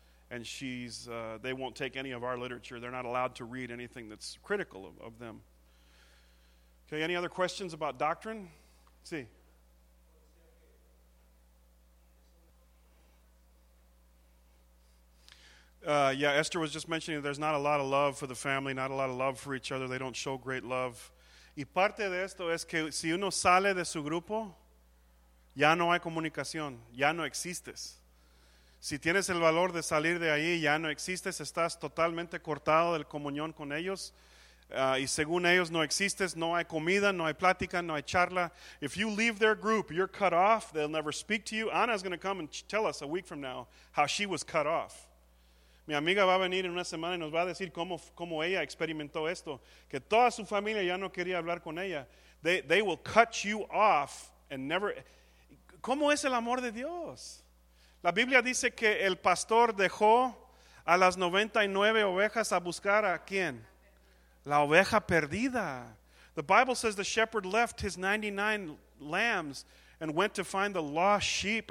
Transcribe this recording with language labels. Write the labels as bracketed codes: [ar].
[en] And they won't take any of our literature. They're not allowed to read anything that's critical of them. Okay, any other questions about doctrine? Sí. Esther was just mentioning there's not a lot of love for the family, not a lot of love for each other. They don't show great love. [es] Y parte de esto es que si uno sale de su grupo, ya no hay comunicación, ya no existes. Si tienes el valor de salir de ahí, ya no existes, estás totalmente cortado de la comunión con ellos. Y según ellos no existes, no hay comida, no hay plática, no hay charla. [en] If you leave their group, you're cut off, they'll never speak to you. Anna's going to come and tell us a week from now how she was cut off. [es] Mi amiga va a venir en una semana y nos va a decir cómo ella experimentó esto, que toda su familia ya no quería hablar con ella. [en] They will cut you off and never. [es] ¿Cómo es el amor de Dios? La Biblia dice que el pastor dejó a las 99 ovejas a buscar a quién? La oveja perdida. [en] The Bible says the shepherd left his 99 lambs and went to find the lost sheep.